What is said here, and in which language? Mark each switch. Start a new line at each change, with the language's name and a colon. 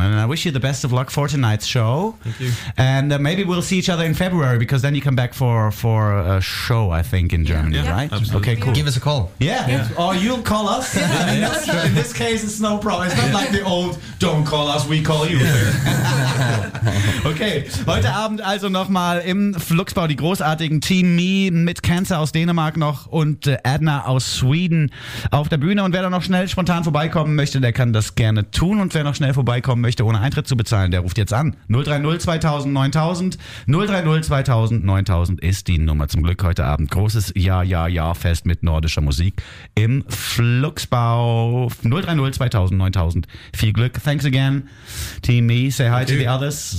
English: And I wish you the best of luck for tonight's show. Thank you. And maybe we'll see each other in February, because then you come back for a show, I think, in Germany, right? Absolutely. Okay, cool. Give us a call. Yeah. Or you'll call us. In this case, it's no problem. It's not like the old, don't call us, we call you. Okay.
German: Heute Abend also nochmal im Fluxbau die großartigen Team Me mit Cancer aus Dänemark noch und Edna aus Sweden auf der Bühne. Und wer da noch schnell spontan vorbeikommen möchte, der kann das gerne tun. Und wer noch schnell vorbeikommen möchte, ohne Eintritt zu bezahlen, der ruft jetzt an. 030 2000 9000 ist die Nummer. Zum Glück heute Abend großes Ja-Ja-Ja-Fest mit nordischer Musik im Fluxbau. 030 2000 9000. Viel Glück.
English: Thanks again, Team Me. Say hi to the others.